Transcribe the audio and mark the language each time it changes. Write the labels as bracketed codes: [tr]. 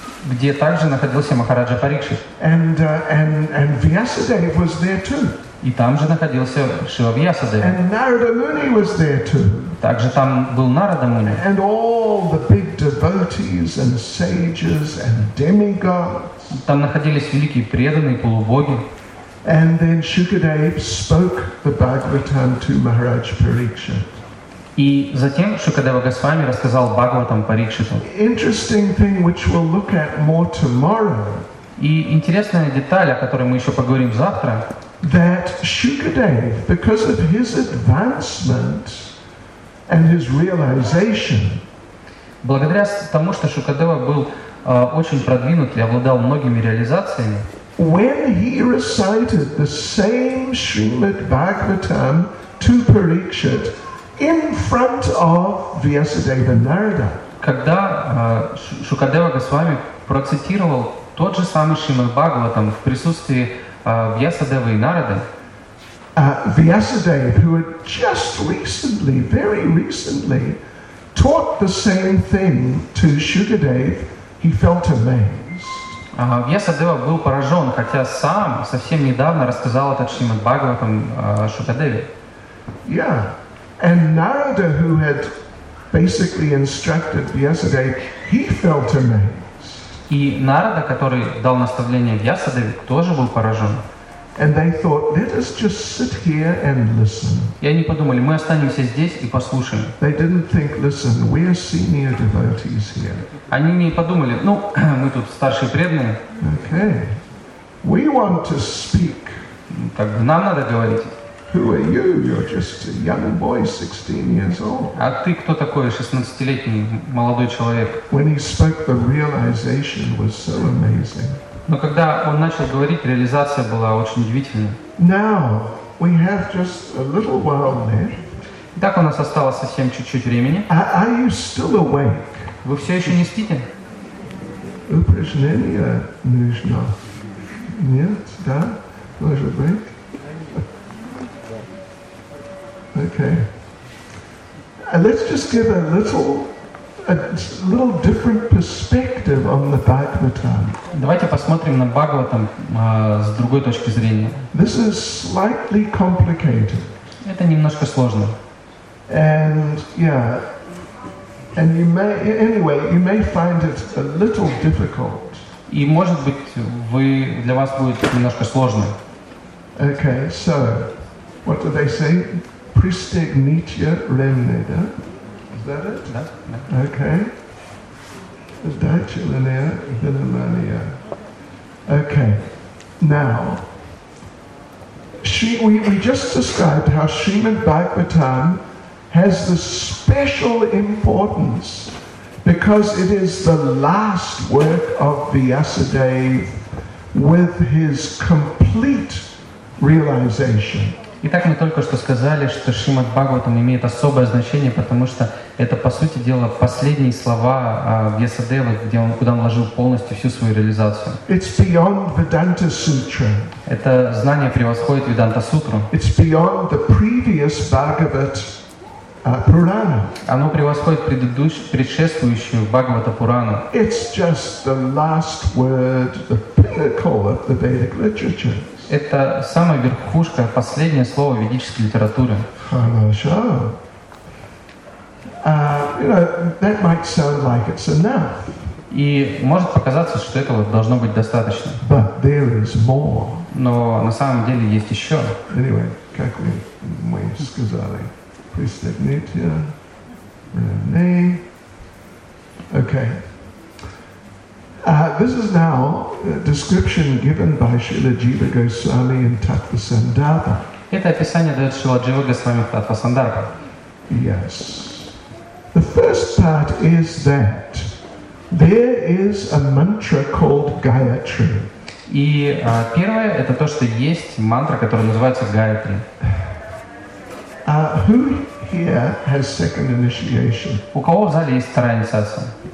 [ru] Где также находился Махараджа Парикшит. [en] And Vyasadeva was there too. [ru] И там же находился Шива Вьясадева. [en] And Narada Muni was there too. [ru] Также там был Нарада Муни. [en] And all the big devotees and sages and demigods. [ru] Там находились великие преданные полубоги. [en] And then Shukadev spoke the Bhagavatam to Maharaj Parikshit. [ru] И затем Шукадева Госвами рассказал Бхагаватам Парикшиту. [en] Interesting thing which we'll look at more tomorrow. [ru] И интересная деталь, о которой мы еще поговорим завтра. [en] That Shukadev, because of his advancement and his realization, [ru] благодаря тому, что Шукадева был очень продвинут и обладал многими реализациями, [en] when he recited the same Srimad Bhagavatam to Parikshit in front of Vyasadeva Narada, [ru] когда Шукадева Госвами процитировал тот же самый Шримад Бхагаватам в присутствии Вьясадевы и Нарады. [en] Vyasadeva, who had just recently, very recently, taught the same thing to Shukadev, he felt amazed. [ru] Vyasadeva был поражен, хотя сам совсем недавно рассказал этот Шримад Бхагаватам Шукадеве. [en] Yeah, and Narada, who had basically instructed Vyasadeva, he felt amazed. [ru] И Нарада, который дал наставление Вьясадеве, тоже был поражен. [en] And they thought, let us just sit here and listen. [ru] И они подумали, мы останемся здесь и послушаем. [en] They didn't think, listen, we are senior devotees here. [ru] Они не подумали, ну, мы тут старшие преданные. [en] Okay. We want to speak. [ru] Так нам надо говорить. [en] Who are you? You're just a young boy, 16 years old. [ru] А ты кто такой, 16-летний молодой человек? [en] When he spoke, the realization was so amazing. [ru] Но когда он начал говорить, реализация была очень удивительной. [en] Now we have just a little while left. [ru] Так у нас осталось совсем чуть-чуть времени. [en] Are you still awake? [ru] Вы все еще не спите? Упражнение нужно. Нет, да, может быть. [en] Okay. Let's just give a little different perspective on the Bhagavatam. [ru] Давайте посмотрим на Бхагаватам с другой точки зрения. [en] This is slightly complicated. [ru] Это немножко сложно. [en] And you may find it a little difficult. [ru] И может быть для вас будет немножко сложно. [en] Okay. So, what do they say? Pristegnitya remneda. Is that it? No. Okay. Daichilanea vinamania. Okay. Now, we just described how Srimad Bhagavatam has the special importance because it is the last work of Vyasadeva with his complete realization. [ru] Итак, мы только что сказали, что Шримад Бхагаватам имеет особое значение, потому что это, по сути дела, последние слова Вьясадевы, куда он вложил полностью всю свою реализацию. [en] It's beyond Vedanta Sutra. [ru] Это знание превосходит Веданта Сутру. [en] It's beyond the previous Bhagavat Purana. [ru] Оно превосходит предшествующую Бхагавата Пурану. [en] It's just the last word, the pinnacle of the Vedic literature. [ru] Это самая верхушка, последнее слово ведической литературы. Хорошо. [en] That might sound like it's enough. [ru] И может показаться, что этого должно быть достаточно. [en] But there is more. [ru] Но на самом деле есть еще. Anyway, как мы сказали, Pristegnitya, Rene. Okay. [en] This is now a description given by Śrīla Jīva Gosvāmī in Tattva-sandarbha. [ru] Это описание дает Śrīla Jīva Gosvāmī в Tattva-sandarbha. [en] Yes. The first part is that there is a mantra called Gayatri. [ru] И первое это то, что есть мантра, которая называется Гаятри. [en] Who here has second initiation? [ru] У кого в зале есть вторая инициация?